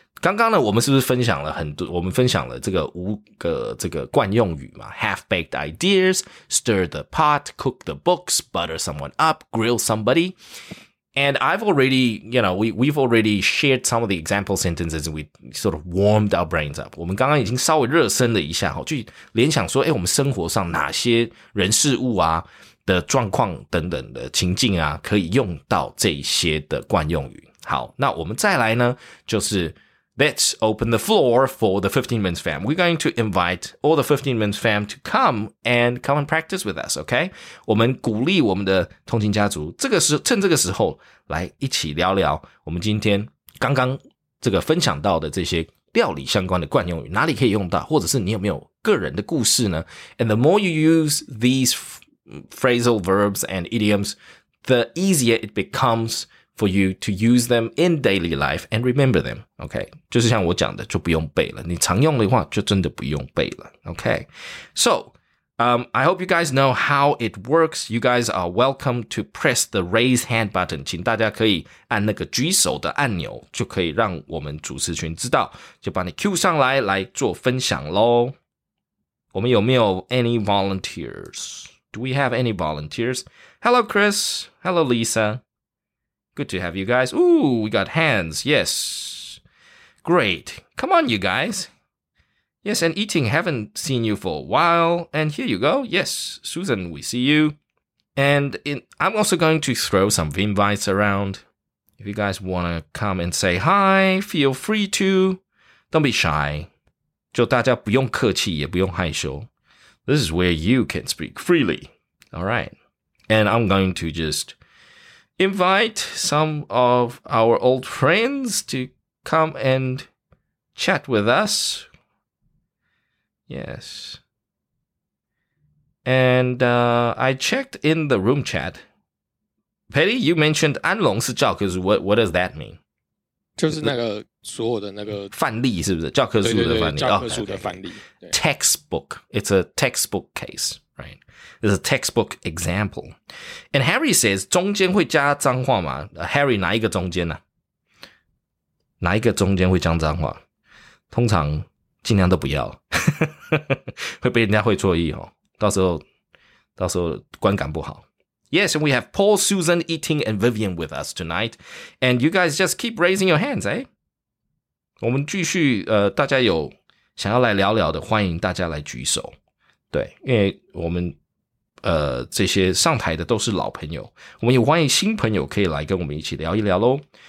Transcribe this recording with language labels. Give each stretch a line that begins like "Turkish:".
Chinese: 刚刚呢，我们是不是分享了很多？我们分享了这个五个这个惯用语嘛 ？
English: Half baked ideas, stir the pot, cook the books, butter someone up, grill somebody. And I've already, you know, we've already shared some of the example sentences. We sort of warmed our brains up.
Chinese: 我们刚刚已经稍微热身了一下，哈，去联想说，哎，我们生活上哪些人事物啊的状况等等的情境啊，可以用到这些的惯用语。好，那我们再来呢，就是。
English: Let's open the floor for the 15 Minutes fam. We're going to invite all the 15 Minutes fam to come and practice with us, okay?
Chinese: 我们鼓励我们的通勤家族这个时趁这个时候来一起聊聊我们今天刚刚这个分享到的这些料理相关的惯用语哪里可以用到或者是你有没有个人的故事呢
English: And the more you use these phrasal verbs and idioms, the easier it becomesfor you to use them in daily life and remember them, okay?
Chinese: 就是像我讲的就不用背了你常用的话就真的不用背了 okay?
English: So, I hope you guys know how it works. You guys are welcome to press the raise hand button.
Chinese: 请大家可以按那个举手的按钮就可以让我们主持群知道就把你 cue 上来来做分享咯。我们有没有
English: any volunteers? Do we have any volunteers? Hello, Chris. Hello, Lisa. Good to have you guys. Ooh, we got hands. Yes. Great. Come on, you guys. Yes, and eating. Haven't seen you for a while. And here you go. Yes, Susan, we see you. And I'm also going to throw some invites around. If you guys want to come and say hi, feel free to. Don't be shy.
Chinese: 就大家不用客气，也不用害羞。
English: This is where you can speak freely. All right. And I'm going to just... Invite some of our old friends to come and chat with us. Yes. And I checked in the room chat. Patty, you mentioned
Chinese: 安龙是教科书
English: What does that mean?
Chinese: 就是那个所有的那个范例是不是教科书的范例教科书的范例
English: Textbook. It's a textbook case. Right. This is a textbook example. And Harry says,
Chinese: 中间会加脏话吗 Harry, 哪一个中间呢、啊、哪一个中间会加脏话通常尽量都不要。会被人家会错意、哦、到时候观感不好。
English: Yes, and we have Paul, Susan, Eating, and Vivian with us tonight. And you guys just keep raising your hands, eh?
Chinese: 我们继续、大家有想要来聊聊的欢迎大家来举手。对，因为我们这些上台的都是老朋友，我们也欢迎新朋友可以来跟我们一起聊一聊喽。